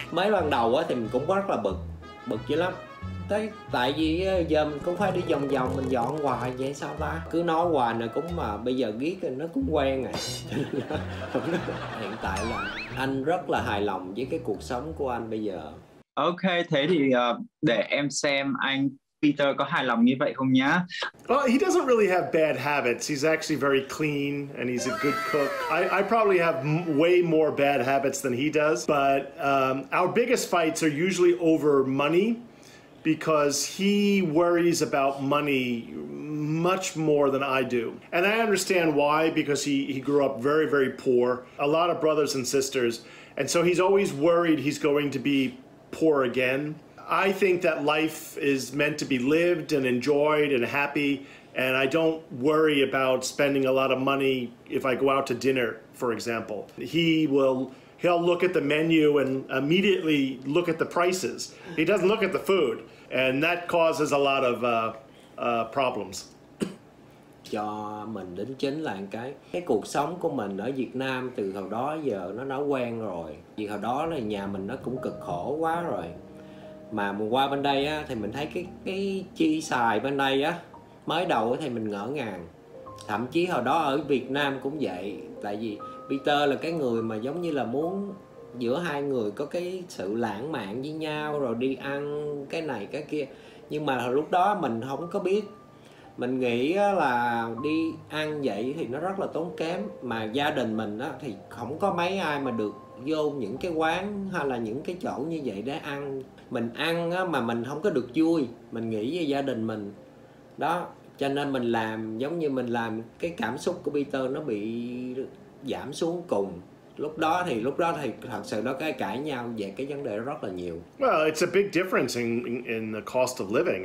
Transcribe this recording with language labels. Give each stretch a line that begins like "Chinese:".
Vietnamese: Mấy lần đầu thì mình cũng rất là bực dữ lắm. Tại vì giờ mình cũng phải đi vòng vòng, mình dọn hoài vậy sao ta? Cứ nói hoài nè, cũng mà bây giờ ghét thì nó cũng quen rồi. Hiện tại là anh rất là hài lòng với cái cuộc sống của anh bây giờ. Ok, thế thì để em xem anh Peter có hài lòng như vậy không nhá?
English: Well, he doesn't really have bad habits. He's actually very clean and he's a good cook. I probably have way more bad habits than he does, but our biggest fights are usually over money because he worries about money much more than I do. And I understand why, because he grew up very, very poor, a lot of brothers and sisters, and so he's always worried he's going to be poor again. I think that life is meant to be lived and enjoyed and happy, and I don't worry about spending a lot of money if I go out to dinner, for example. He'll look at the menu and immediately look at the prices. He doesn't look at the food, and that causes a lot of problems.
Vietnamese: Cho mình đến chính là cái cuộc sống của mình ở Việt Nam từ hồi đó giờ nó đã quen rồi. Vì hồi đó là nhà mình nó cũng cực khổ quá rồi. Mà mình qua bên đây á thì mình thấy cái chi xài bên đây á, mới đầu thì mình ngỡ ngàng. Thậm chí hồi đó ở Việt Nam cũng vậy, tại vì Peter là cái người mà giống như là muốn giữa hai người có cái sự lãng mạn với nhau rồi đi ăn cái này cái kia. Nhưng mà lúc đó mình không có biết. Mình nghĩ là đi ăn vậy thì nó rất là tốn kém. Mà gia đình mình á thì không có mấy ai mà được vô những cái quán hay là những cái chỗ như vậy để ăn. Mình ăn á mà mình không có được vui, mình nghĩ về gia đình mình. Đó, cho nên mình làm giống như mình làm cái cảm xúc của Peter nó bị giảm xuống cùng. Lúc đó thì thật sự đó cái cãi nhau về cái vấn đề rất là nhiều.
English: Well, it's a big difference in the cost of living.